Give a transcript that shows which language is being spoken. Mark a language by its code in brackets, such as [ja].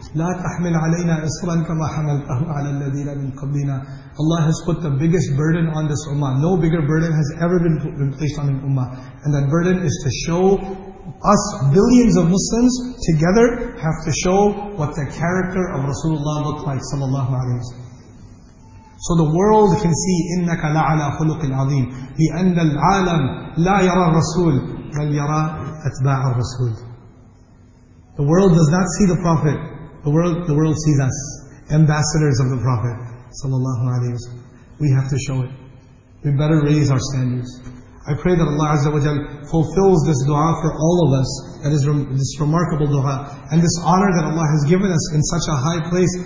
[ar] لَا تَحْمِلْ عَلَيْنَا إِصْرًا كَمَا حَمَلْتَهُ عَلَى الَّذِينَ مِنْ قَبْلِنَا. [en] Allah has put the biggest burden on this ummah. No bigger burden has ever been placed on an ummah. And that burden is to show us, billions of Muslims, together have to show what the character of Rasulullah looked like, sallallahu alayhi wa sallam. So the world can see, [ar] إِنَّكَ لَعَلَى خُلُقٍ عَظِيمٍ لِأَنَّ الْعَالَمْ لَا يَرَى الرَّسُولِ بَلْ يَرَى أَتْبَاعَ الرَّسُولِ. [en] The world does not see the Prophet. The world sees us, ambassadors of the Prophet sallallahu alaihi wasallam. We have to show it. We better raise our standards. I pray that Allah Azza wa Jal fulfills this dua for all of us. That is this remarkable dua and this honor that Allah has given us in such a high place.